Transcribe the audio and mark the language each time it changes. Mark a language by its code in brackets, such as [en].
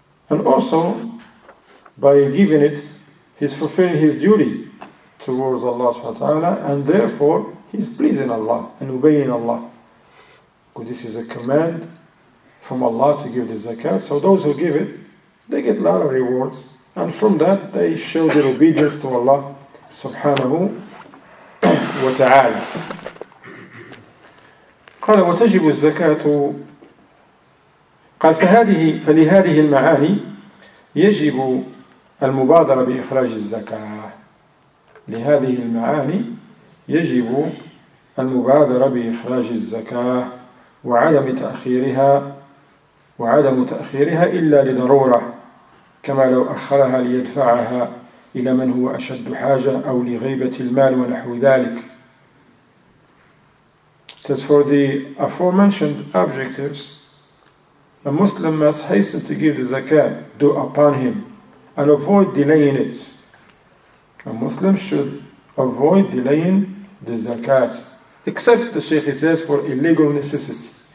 [en] And also, by giving it, he's fulfilling his duty towards Allah subhanahu wa ta'ala, and therefore, he's pleasing Allah and obeying Allah. Because this is a command from Allah to give the zakat. So those who give it, they get a lot of rewards. And from that, they show their obedience to Allah [ar] سبحانه وتعالى. قال وتجب الزكاة، قال فهذه فلهذه المعاني يجب المبادرة بإخراج الزكاة، لهذه المعاني يجب المبادرة بإخراج الزكاة وعدم تأخيرها، وعدم تأخيرها إلا لضرورة، كما لو أخرها ليدفعها إلى من هو أشد حاجة أو لغيبة المال ونحو ذلك. [en] Says for the aforementioned objectives, a Muslim must hasten to give the zakat due upon him and avoid delaying it. A Muslim should avoid delaying the zakat, except the Sheikh says for illegal necessity.